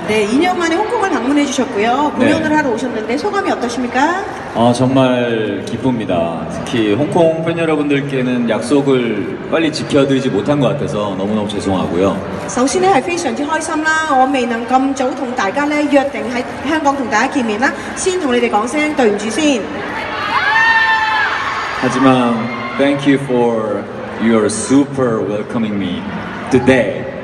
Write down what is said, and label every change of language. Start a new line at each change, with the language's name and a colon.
Korean: 네, 2년 만에 홍콩을 방문해 주셨고요. 9년을 네. 하러 오셨는데 소감이 어떠십니까? 아, 정말 기쁩니다. 특히 홍콩 팬 여러분들께는 약속을 빨리 지켜드리지 못한 것 같아서 너무너무 죄송하고요.
Cantonese: 首先咧係非常之開心啦，我未能咁早同大家咧約定喺香港同大家見面啦，先同你哋講聲對唔住先。
Korean: 하지만
English: thank you for your super welcoming me today.